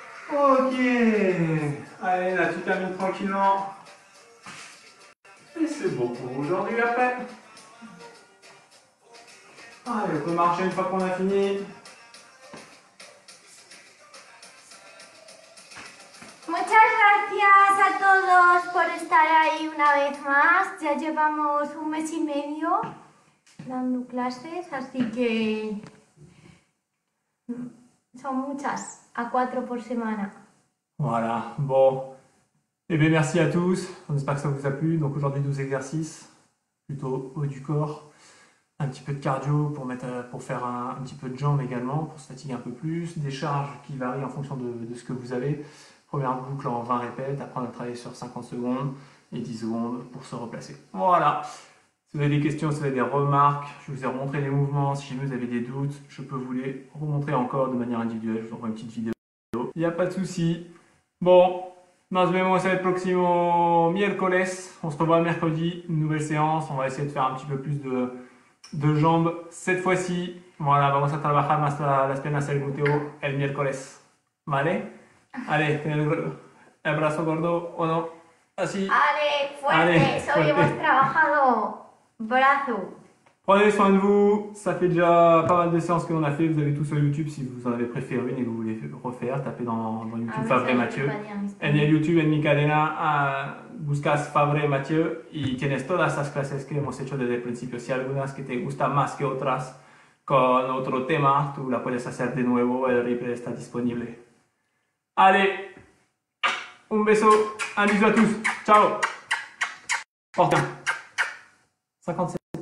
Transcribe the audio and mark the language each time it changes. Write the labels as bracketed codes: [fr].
[fr] Ok, Allez, là, tu termines tranquillement. Et c'est bon pour aujourd'hui après. Allez, on peut marcher une fois qu'on a fini. [es] Muchas gracias a todos por estar ahí una vez más. Ya llevamos un mes y medio dando clases, así que son muchas, a cuatro por semana. [fr] Voilà, bon. Eh bien, merci à tous. On espère que ça vous a plu. Donc aujourd'hui, 12 exercices, plutôt haut du corps. Un petit peu de cardio pour faire un petit peu de jambes également, pour se fatiguer un peu plus. Des charges qui varient en fonction de ce que vous avez. Première boucle en 20 répètes, après on a travaillé sur 50 secondes et 10 secondes pour se replacer. Voilà, si vous avez des questions, si vous avez des remarques, je vous ai remontré les mouvements, si vous avez des doutes, je peux vous les remontrer encore de manière individuelle, je vous envoie une petite vidéo. Il n'y a pas de souci. Bon, [es] nos vemos el próximo miércoles, [fr] on se revoit mercredi, nouvelle séance, on va essayer de faire un petit peu plus de jambes cette fois-ci. [es] Voilà, vamos a trabajar más las piernas el glúteo el miércoles, ¿vale? [fr] Allez, tenez le bras gordo ou non? Así. [es] Allez, fuerte, allez, fuerte. Hoy hemos trabajado brazo. [fr] Prenez soin de vous, ça fait déjà pas mal de séances que l'on a fait. Vous avez tout sur YouTube si vous en avez préféré une et que vous voulez refaire. Tapez dans YouTube Fabre Mathieu. [es] En el YouTube, en mi cadena, buscas Fabre Mathieu. Y tienes todas las clases que hemos hecho desde el principio. Si algunas que te gustan más que otras con otro tema, tú la puedes hacer de nuevo. El replay está disponible. [fr] Allez, [es] un beso, [fr] un bisou à tous, ciao. Portez-vous bien. 57.